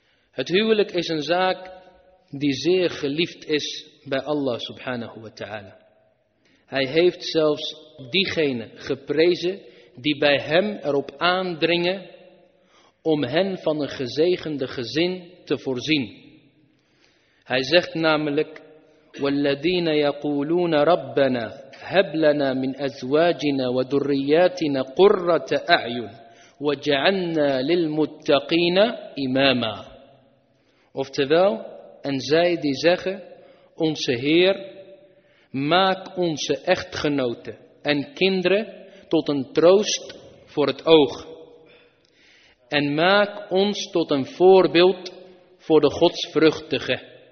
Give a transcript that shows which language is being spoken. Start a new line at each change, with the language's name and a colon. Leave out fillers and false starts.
Dutch: Het huwelijk is een zaak die zeer geliefd is bij Allah subhanahu wa ta'ala. Hij heeft zelfs diegenen geprezen die bij hem erop aandringen om hen van een gezegende gezin te voorzien. Hij zegt namelijk:
Arabic: وَالَّذِينَ يَقُولُونَ رَبَّنَا هَبْ لَنَا مِنْ أَزْوَاجِنَا وَدُرِّيَّاتِنَا قُرَّةَ أَعْيُنٍ وَجَعَلْنَا لِلْمُتَّقِينَ إِمَامًا.
Dutch: Oftewel, en zij die zeggen: onze Heer, maak onze echtgenoten en kinderen tot een troost voor het oog. En maak ons tot een voorbeeld voor de godsvruchtigen.